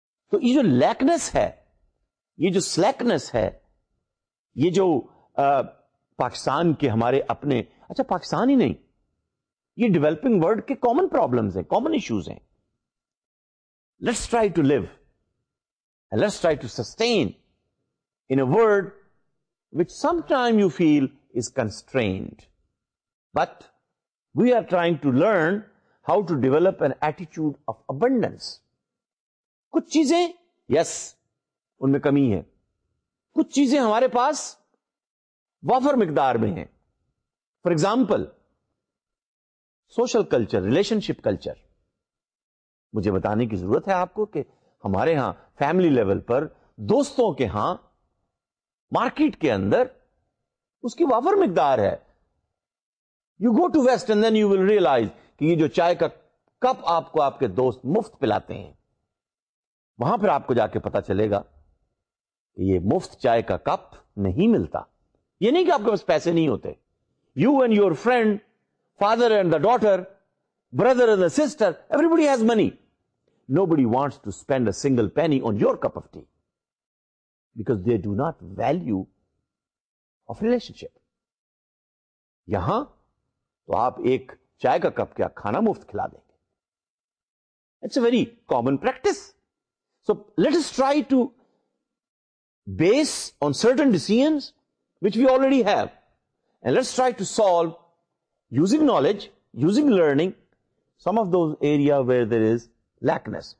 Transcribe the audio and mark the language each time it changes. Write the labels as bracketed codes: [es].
[ur] تو یہ جو لیکنس ہے، یہ جو سلیکنس ہے، یہ جو پاکستان کے ہمارے اپنے، اچھا پاکستان ہی نہیں، یہ ڈیولپنگ ورلڈ کے کامن پرابلمس ہیں، کامن ایشوز ہیں. [en] Let's try to live and let's try to sustain in a world which sometime you feel is constrained. But we are trying to learn how to develop an attitude of abundance. [ur] کچھ چیزیں yes, ان میں کمی ہے, کچھ چیزیں ہمارے پاس وافر مقدار میں ہیں. [en] For example social culture, relationship culture. [ur] مجھے بتانے کی ضرورت ہے آپ کو کہ ہمارے ہاں فیملی لیول پر دوستوں کے ہاں مارکیٹ کے اندر اس کی وافر مقدار ہے. [en] you go to West and then you will realize [ur] کہ یہ جو چائے کا کپ آپ کو آپ کے دوست مفت پلاتے ہیں, وہاں پھر آپ کو جا کے پتا چلے گا کہ یہ مفت چائے کا کپ نہیں ملتا. یہ نہیں کہ آپ کے پاس پیسے نہیں ہوتے. [en] You and your friend, father and the daughter, brother and the sister, everybody has money. Nobody wants to spend a single penny on your cup of tea because they do not value of relation. [ur] یہاں تو آپ ایک چائے کا cup کیا کھانا مفت کھلا دیں گے. [en] It's a very common practice. So let us try to base on certain decisions which we already have, and let's try to solve using knowledge, using learning, some of those area where there is lackness.